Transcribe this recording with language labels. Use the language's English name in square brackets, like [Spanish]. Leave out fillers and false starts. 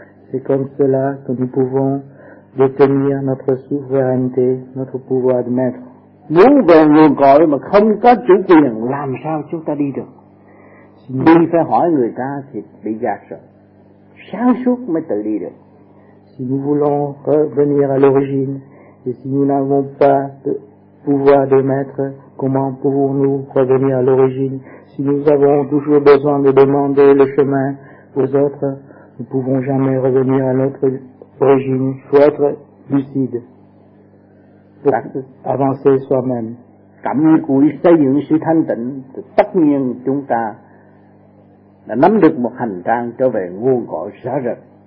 [French] C'est comme cela que nous pouvons détenir notre souveraineté, notre pouvoir de maître. [Vietnamese] Nếu về nguồn cội mà không có chủ quyền, làm sao chúng ta đi được? Đi phải hỏi người ta thì bị gạt rồi. Sáng suốt mới tự đi được. [French] Si nous voulons revenir à l'origine, et si nous n'avons pas de pouvoir de maître, comment pouvons-nous revenir à l'origine? Si nous avons toujours besoin de demander le chemin aux autres, nous ne pouvons jamais revenir à notre origine. Il faut être lucide pour avancer soi-même. [Vietnamese] Cảm như cuối xây dựng sự thanh tịnh, tất nhiên chúng ta đã nắm được một hành trang trở về nguồn cội rõ rệt.